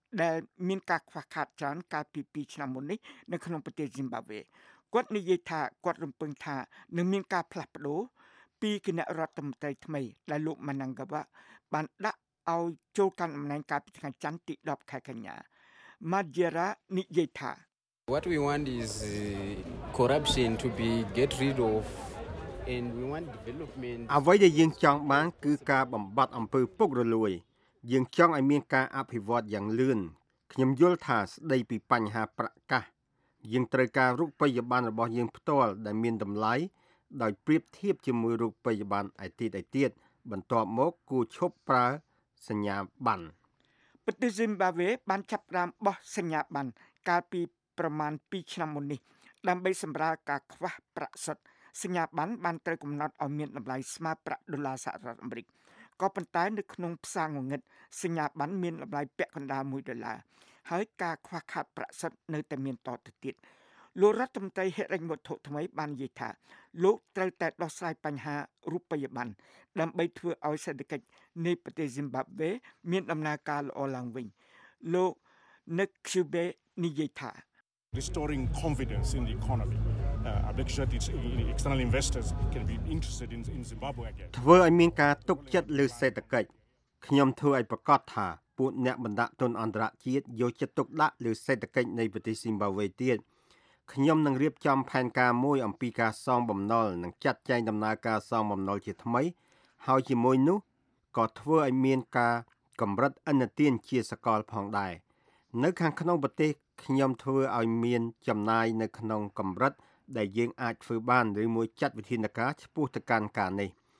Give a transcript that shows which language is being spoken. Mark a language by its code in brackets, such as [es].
[km] ដែលមានការខ្វះខាតច្រើនកាលពី2ឆ្នាំមុននេះនៅក្នុងប្រទេសស៊ីមបាប៊េគាត់និយាយថាគាត់រំពឹងថានឹងមានការផ្លាស់ប្ដូរពីគណៈរដ្ឋមន្ត្រីថ្មីដែលលោកម៉ាណាងកាវ៉ាបានដាក់ឲ្យចូលកាន់តំណែងកាលពីថ្ងៃច័ន្ទទី10ខែកញ្ញាម៉ាជីរ៉ានិយាយថា [en] What we want is corruption to be get rid of and we want development [km] អ្វីដែលយើងចង់បានគឺការបំបត្តិអំពើពុករលួយយើងចង់ឲ្យមានការអភិវឌ្ឍយ៉ាងលឿនខ្ញុំយល់ថាស្ដីពីបញ្ហាប្រកាសយើងត្រូវការរូបិយប័ណ្ណរបស់យើងផ្ទាល់ដែលមានតម្លៃដោយប្រៀបធៀបជាមួយរូបិយប័ណ្ណឯទៀតឯទៀតបន្ទាប់មកគួរឈប់ប្រើសញ្ញាប័ណ្ណ ប្រទេសស៊ីមបាវេបានចាប់រាមបោះសញ្ញាប័ណ្ណកាលពីប្រមាណ2ឆ្នាំមុននេះដើម្បីសម្រាលការខ្វះប្រាក់សុទ្ធសញ្ញាប័ណ្ណបានត្រូវកំណត់ឲ្យមានតម្លៃស្មើប្រាក់ដុល្លារសហរដ្ឋអាមេរិកក៏ប៉ុន្តែនៅក្នុងផ្សារងងឹតសញ្ញាប័ណ្ណមានតម្លៃពាក់កណ្ដាល1ដុល្លារហើយការខ្វះខាតប្រាក់សុទ្ធនៅតែមានតទៅទៀត លោករដ្ឋមន្ត្រីហិរញ្ញវត្ថុថ្មីបាននិយាយថាលោកត្រូវតែដោះស្រាយបញ្ហារូបិយប័ណ្ណដើម្បីធ្វើឲ្យសេដ្ឋកិច្ចនៃប្រទេសស៊ីមបាប៊េមានដំណើរការល្អឡើងវិញលោកនិកឃ្យូបេនិយាយថា [en] restoring confidence in the economy I think that its external investors can be interested in Zimbabwe again [km] ធ្វើឲ្យមានការទុកចិត្តលើសេដ្ឋកិច្ចខ្ញុំធ្វើឲ្យប្រកាសថាពួកអ្នកបណ្ដាក់ទុនអន្តរជាតិយកចិត្តទុកដាក់លើសេដ្ឋកិច្ចនៃប្រទេសស៊ីមបាប៊េទៀតខ្ញុំនឹងរៀបចំផែនការមួយអំពីការសងបំណុលនិងចាត់ចែងដំណើរការសងបំណុលជាថ្មីហើយជាមួយនោះក៏ធ្វើឲ្យមានការកម្រិតឥណទានជាសកលផងដែរនៅខាងក្នុងប្រទេសខ្ញុំធ្វើឲ្យមានចំណាយនៅក្នុងកម្រិតដែលយើងអាចធ្វើបានឬមួយចាត់វិធានការឆ្ពោះទៅកាន់ការនេះ